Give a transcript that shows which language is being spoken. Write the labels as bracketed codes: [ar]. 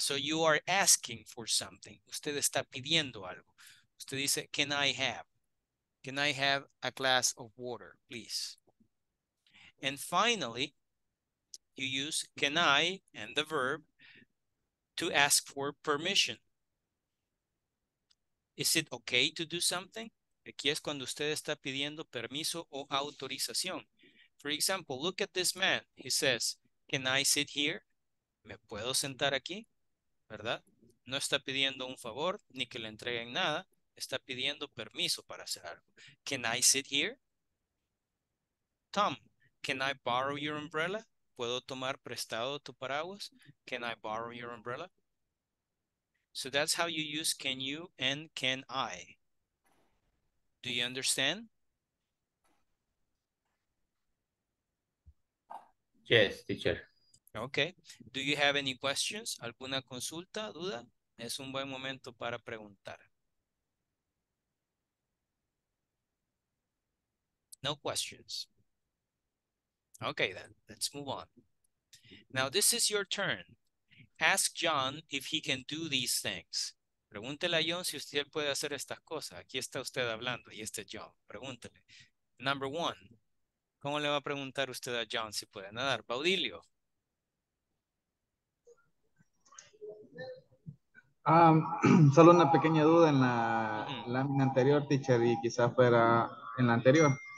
[en] So you are asking for something. [es] Usted está pidiendo algo. Usted dice, [en] can I have? Can I have a glass of water, please? And finally, you use can I and the verb to ask for permission. Is it okay to do something? [es] Aquí es cuando usted está pidiendo permiso o autorización. [en] For example, look at this man. He says, can I sit here? [es] ¿Me puedo sentar aquí? ¿Verdad? No está pidiendo un favor ni que le entreguen nada. Está pidiendo permiso para hacer algo. [en] Can I sit here? Tom, can I borrow your umbrella? [es] ¿Puedo tomar prestado tu paraguas? [en] Can I borrow your umbrella? So that's how you use can you and can I. Do you understand? Yes, teacher. Okay. Do you have any questions? [es] ¿Alguna consulta, duda? Es un buen momento para preguntar. [en] No questions. Okay, then. Let's move on. Now, this is your turn. Ask John if he can do these things. [es] Pregúntele a John si usted puede hacer estas cosas. Aquí está usted hablando. Y este John. Pregúntele. [en] Number one. [es] ¿Cómo le va a preguntar usted a John si puede nadar? Baudilio. Solo una pequeña duda en la lámina anterior, teacher, y quizás fuera en la anterior.